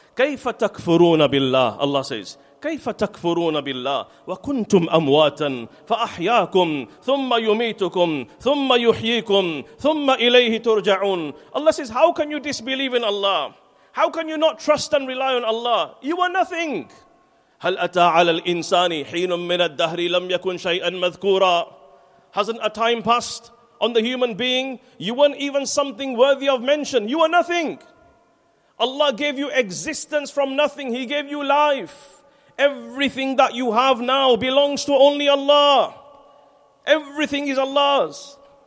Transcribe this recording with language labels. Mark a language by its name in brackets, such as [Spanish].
[Arabic] كَيْفَ تَكْفُرُونَ بِاللَّهِ [English] Allah says, [Arabic] كَيْفَ تَكْفُرُونَ بِاللَّهِ وَكُنْتُمْ أَمْوَاتًا فَأَحْيَاكُمْ ثُمَّ يُمِيتُكُمْ ثُمَّ يُحْيِيكُمْ ثُمَّ إِلَيْهِ تُرْجَعُونَ [English] Allah says, how can you disbelieve in Allah? How can you not trust and rely on Allah? You are nothing. [Arabic] هَلْ أَتَى عَلَى الْإِنسَانِ حِينٌ مِّنَ الدَّهْرِ لَمْ يَكُنْ شَيْئًا مَذْكُورًا [English] Hasn't a time passed on the human being? You weren't even something worthy of mention. You are nothing. Allah gave you existence from nothing. He gave you life. Everything that you have now belongs to only Allah. Everything is Allah's.